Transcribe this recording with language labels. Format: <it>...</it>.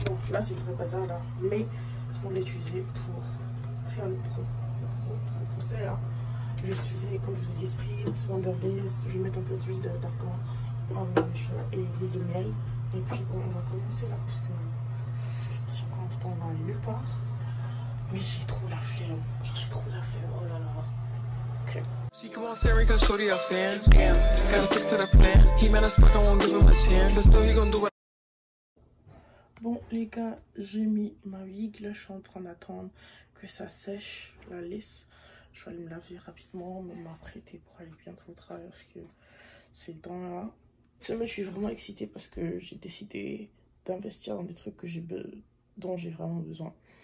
<fr>Là c'est le vrai bazar là, mais ce qu'on l'a utilisé pour faire le procès là, je vais utiliser, comme je vous ai dit, Spritz, Wonderbliss, je vais mettre un peu d'huile d'argan et l'huile de miel, et puis bon, on va commencer là parce que c'est encore important, on va aller nulle part, mais j'ai trop la flemme, oh là là.</fr> <en>She come on staring cause Shorty a fan, gotta stick to the plan, he met a spark, I won't give him a chance, but still he gonna do what.</en> <fr>Bon les gars, j'ai mis ma wig, là je suis en train d'attendre que ça sèche, la lisse. Je vais aller me laver rapidement, m'apprêter pour aller bientôt au travail parce que c'est le temps là. Ce mois je suis vraiment excitée parce que j'ai décidé d'investir dans des trucs que j'ai dont j'ai vraiment besoin.</fr>